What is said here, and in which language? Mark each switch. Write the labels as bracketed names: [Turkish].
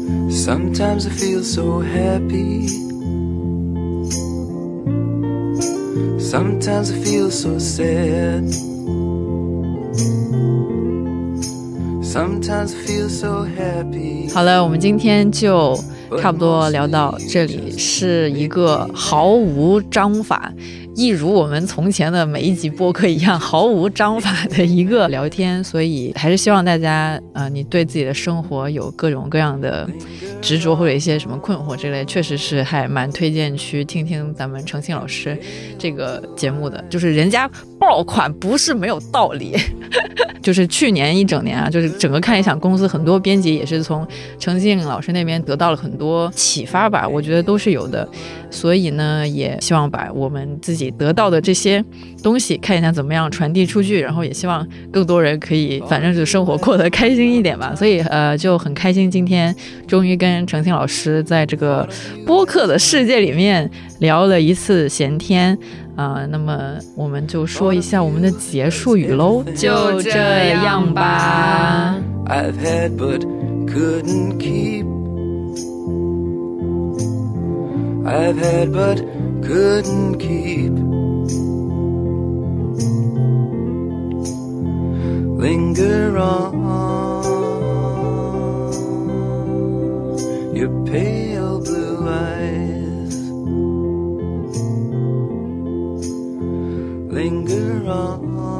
[English] Sometimes I feel so happy. Sometimes I feel so sad. Sometimes I feel so happy. [Chinese] 好了，我们今天就差不多聊到这里，是一个毫无章法，一如我们从前的每一集播客一样毫无章法的一个聊天。所以还是希望大家你对自己的生活有各种各样的执着或者一些什么困惑之类，确实是还蛮推荐去听听咱们澄清老师这个节目的，就是人家爆款不是没有道理。就是去年一整年啊，就是整个看理想公司很多编辑也是从澄清老师那边得到了很多启发吧，我觉得都是有的。所以呢，也希望把我们自己得到的这些东西看一下怎么样传递出去，然后也希望更多人可以反正就生活过得开心一点吧。所以就很开心今天终于跟澄清老师在这个播客的世界里面聊了一次闲天那么我们就说一下我们的结束语咯，就这样吧。 [English] I've had but couldn't keep I've had butCouldn't keep Linger on Your pale blue eyes Linger on